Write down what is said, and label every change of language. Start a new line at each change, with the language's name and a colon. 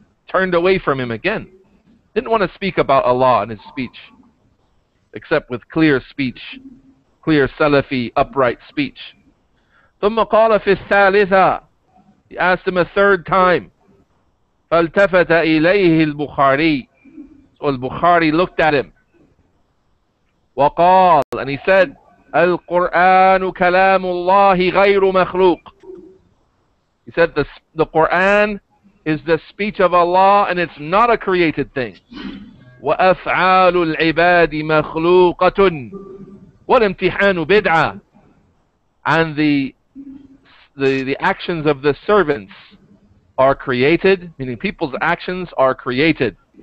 English: Turned away from him again. Didn't want to speak about Allah in his speech, except with clear speech, clear Salafi, upright speech.
Arabic: ثُمَّ قَالَ فِي الثَّالِثَةِ.
English: He asked him a third time.
Arabic: فَالْتَفَتَ إِلَيْهِ الْبُخَارِي.
English: So al-Bukhari looked at him.
Arabic: وقال,
English: and he said,
Arabic: القرآن كلام الله غير مخلوق.
English: He said, the Quran is the speech of Allah and it's not a created thing.
Arabic: وأفعال العباد مخلوقة. والامتحان بدعة.
English: And the actions of the servants are created, meaning people's actions are created.